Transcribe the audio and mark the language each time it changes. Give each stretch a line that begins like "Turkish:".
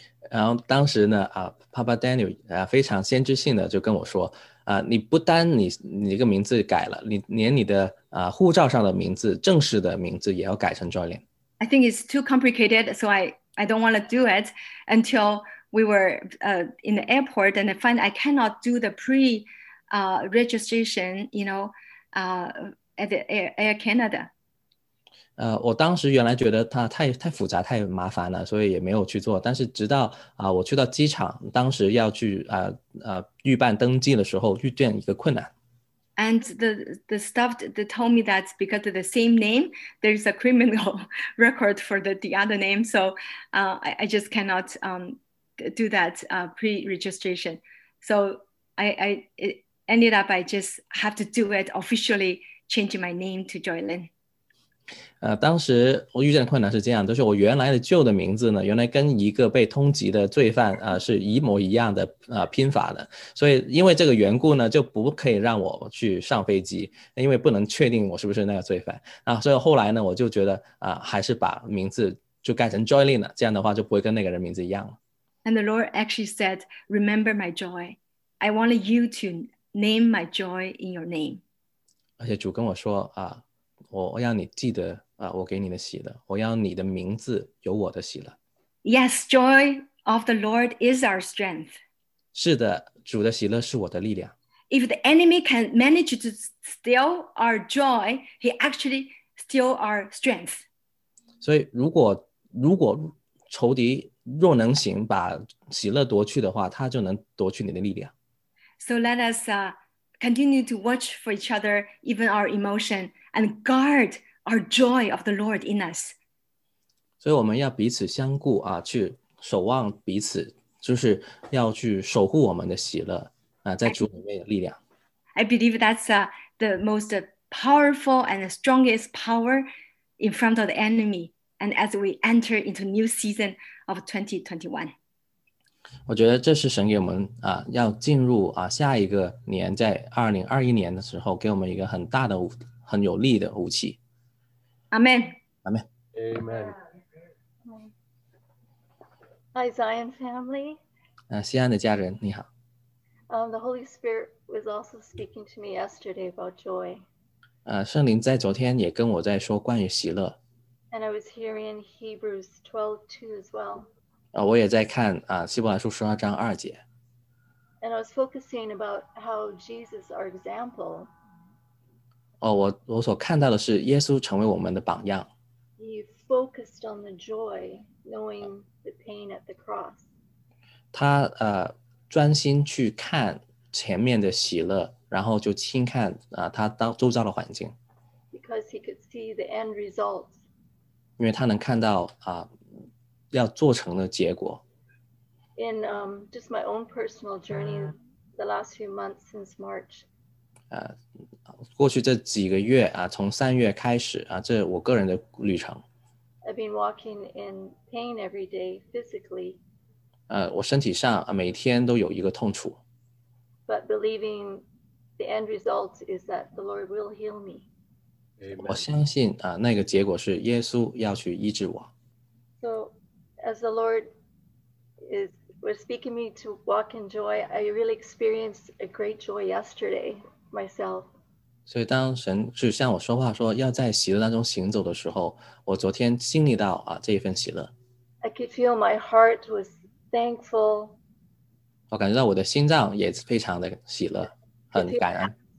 Chinese: 然后当时呢，Papa Daniel 非常先知性的就跟我说，你不单你这个名字改了，你连你的护照上的名字，正式的名字也要改成 Joy Lynn。
English: I think it's too complicated, so I don't want to do it until we were in the airport and I find I cannot do the pre-registration, at the Air Canada.
Chinese: 我当时原来觉得它太复杂太麻烦了，所以也没有去做。但是直到我去到机场，当时要去预办登记的时候，遇见一个困难。
English: And the staff they told me that because of the same name, there's a criminal record for the other name. So I just cannot do that pre-registration. So I ended up, I just have to do it officially, changing my name to Joy Lynn.
Chinese: 当时我遇见的困难是这样，就是我原来的旧的名字呢，原来跟一个被通缉的罪犯是一模一样的拼法的，所以因为这个缘故呢，就不可以让我去上飞机，因为不能确定我是不是那个罪犯所以后来呢，我就觉得还是把名字就改成 Joy Lynn 了，这样的话就不会跟那个人名字一样了。
English: And the Lord actually said, "Remember my joy. I want you to name my joy in your name."
Chinese: 而且主跟我说我让你记得我给你的喜乐，我要你的名字有我的喜乐。
English: Yes, joy of the Lord is our strength.
Chinese: 是的，主的喜乐是我的力量。
English: If the enemy can manage to steal our joy, he actually steal our strength.
Chinese: 所以如果仇敌若能行把喜乐夺去的话，他就能夺去你的力量。
English: So let us continue to watch for each other, even our emotion, and guard our joy of the Lord in us.
Chinese: 所以我们要彼此相顾去守望彼此，就是要去守护我们的喜乐在主里面的力量。
English: I believe that's the most powerful and the strongest power in front of the enemy. And as we enter into new season of 2021.
Chinese: 我觉得这是神给我们要进入下一个年，在2021年的时候给我们一个很大的很有力的武器。
English: Amen. Amen. Amen. Hi, Zion family.
Chinese: 西安的家人你好。
English: The Holy Spirit was also speaking to me yesterday about joy.
Chinese: 圣灵在昨天也跟我在说关于喜乐。
English: And I was hearing Hebrews 12:2 as well.
Chinese: 我也在看希伯来书十二章二节。
English: And I was focusing about how Jesus, our example.
Chinese: 我所看到的是耶稣成为我们的榜样。
English: He focused on the joy, knowing the pain at the cross.
Chinese: 他专心去看前面的喜乐，然后就轻看他周遭的环境。
English: Because he could see the end results.
Chinese: 因为他能看到要做成的结果。
English: In just my own personal journey, the last few months since March.
Chinese: 过去这几个月从三月开始这我个人的旅程。
English: I've been walking in pain every day physically.
Chinese: 我身体上每天都有一个痛楚。
English: But believing the end result is that the Lord will heal me.
Chinese: 我相信那个结果是耶稣要去医治我。
English: So as the Lord was speaking me to walk in joy, I really experienced a great joy yesterday myself.
Chinese: 所以当神是向我说话说要在喜乐当中行走的时候，我昨天经历到这一份喜乐。
English: I could feel my heart was thankful.
Chinese: 我感觉到我的心脏也非常的喜乐，很感恩。